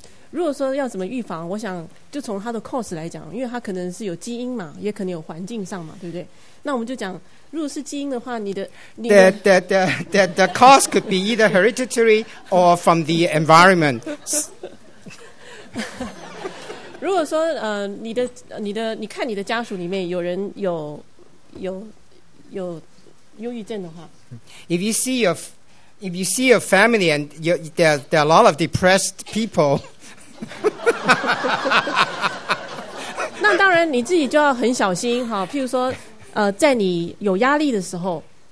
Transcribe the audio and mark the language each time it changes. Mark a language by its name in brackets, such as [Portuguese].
[Chinese] 如果说要怎么预防，我想就从他的 cause 来讲，因为他可能是有基因嘛，也可能有环境上嘛，对不对？那我们就讲，如果是基因的话， [English] The cause could be either hereditary or from the environment. [Chinese] 如果说你看你的家属里面有人有忧郁症的话 [English] ，If you see a family and there are a lot of depressed people. [Chinese] 那当然你自己就要很小心，譬如说在你有压力的时候，